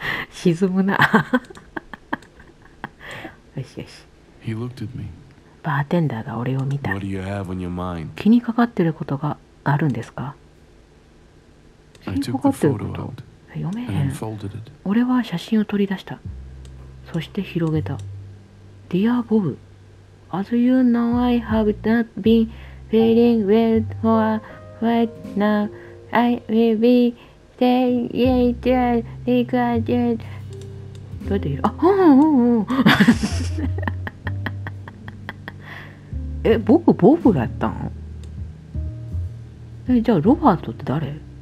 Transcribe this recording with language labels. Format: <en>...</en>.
<ja>沈むな。よしよし。</ja> <en>He looked at me.</en> <ja>バーテンダーが俺を見た。</ja> <en>What do you have on your mind?</en> <ja>気にかかってることがあるんですか？気にかかってること？読めへん。俺は写真を取り出した。そして広げた。</ja> <en>Dear Bob, as you know, I have not been feeling well for a while now. I will be staying here because of you.</en> <ja>どうやって言う？あ、うんうんうん。え、僕ボブやったん？え、じゃあロバートって誰？</ja>